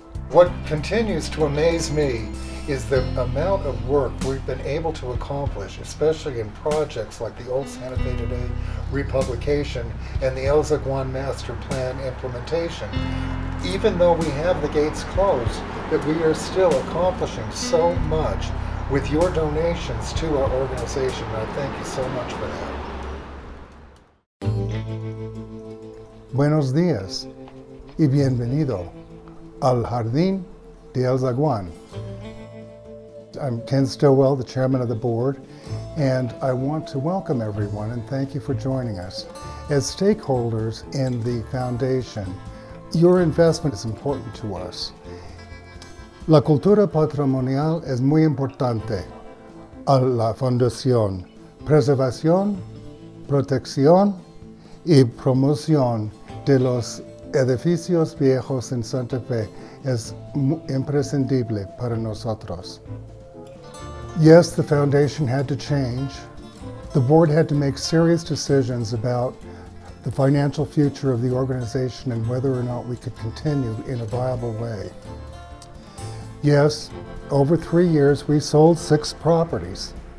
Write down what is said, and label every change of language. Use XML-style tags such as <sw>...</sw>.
<en>What continues to amaze me is the amount of work we've been able to accomplish, especially in projects like the Old Santa Fe Today republication and the El Zaguán Master Plan implementation. Even though we have the gates closed, that we are still accomplishing so much with your donations to our organization. I thank you so much for that.</en> <es>Buenos dias y bienvenido al Jardín de El Zaguán.</es> <en>I'm Ken Stillwell, the chairman of the board, and I want to welcome everyone and thank you for joining us. As stakeholders in the foundation, your investment is important to us.</en> <es>La cultura patrimonial es muy importante a la fundación. Preservación, protección y promoción de los edificios viejos en Santa Fe es imprescindible para nosotros.</es> <en>Yes, the foundation had to change. The board had to make serious decisions about the financial future of the organization and whether or not we could continue in a viable way. Yes, over 3 years we sold 6 properties.</en>